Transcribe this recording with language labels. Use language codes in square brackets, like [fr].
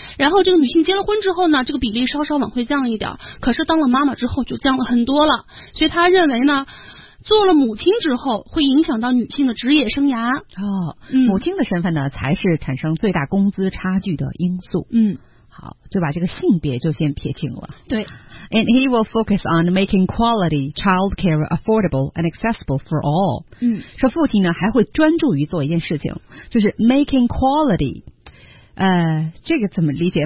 [zh] 然后这个女性结了婚之后呢，这个比例稍稍往回降一点，可是当了妈妈之后就降了很多了。所以她认为呢，做了母亲之后会影响到女性的职业生涯。哦，母亲的身份呢才是产生最大工资差距的因素。嗯，好，就把这个性别就先撇清了。对， [en] And he will focus on making quality child care affordable and accessible for all。嗯， [zh] 说父亲呢还会专注于做一件事情，就是 [en] making quality， [zh] 这个怎么理解？